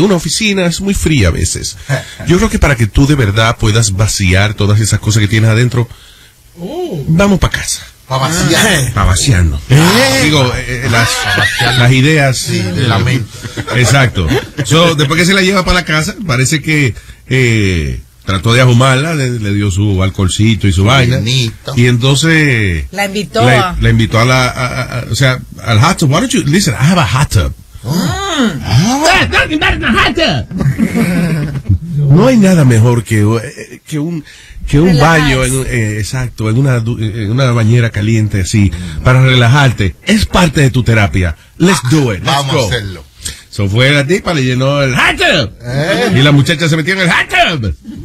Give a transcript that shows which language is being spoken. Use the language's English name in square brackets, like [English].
[Spanish] Una oficina es muy fría a veces. Yo creo que para que tú de verdad puedas vaciar todas esas cosas que tienes adentro, vamos para casa. Para vaciando. Digo, las ideas. Sí, de la mente. Exacto. So, después que se la lleva para la casa, parece que trató de ahumarla, le dio su alcoholcito y su vaina. Bienito. Y entonces. La invitó o sea, al [English] hot tub. Why don't you listen? I have a hot tub. [Spanish] No hay nada mejor que un baño en una bañera caliente así para relajarte. Es parte de tu terapia. [English] Let's do it. Let's [Spanish] vamos go. A hacerlo. Eso fue la tipa, le llenó el hot tub. Y la muchacha se metió en el hot tub.